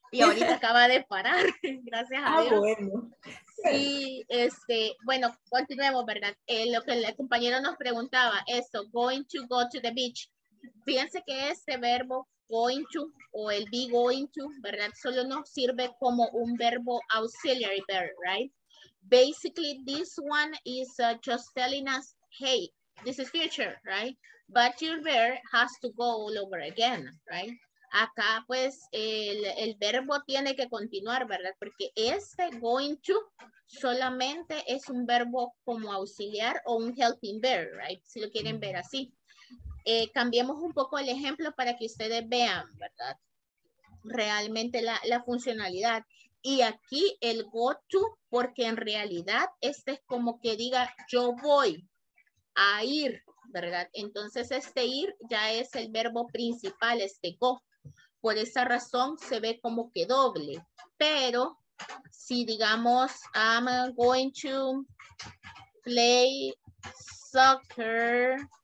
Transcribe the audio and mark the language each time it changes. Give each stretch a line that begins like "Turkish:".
Spanish: y ahorita acaba de parar, gracias a Dios. Bueno. Y este, bueno, continuemos, ¿verdad? Lo que el compañero nos preguntaba, esto,
English: going to go to the beach.
Spanish: Fíjense que este verbo going to o el be going to, ¿verdad? Solo nos sirve como un verbo
English: auxiliary verb, right? Basically, this one is just telling us, hey, this is future, right? But your verb has to go all over again, right?
Spanish: Acá, pues, el verbo tiene que continuar, ¿verdad? Porque este going to solamente es un verbo como auxiliar o un
English: helping verb, right?
Spanish: Si lo quieren ver así. Cambiemos un poco el ejemplo para que ustedes vean, ¿verdad? Realmente la funcionalidad. Y aquí el go to, porque en realidad este es como que diga yo voy a ir, ¿verdad? Entonces este ir ya es el verbo principal, este go. Por esa razón se ve como que doble. Pero si digamos
English: I'm going to play soccer.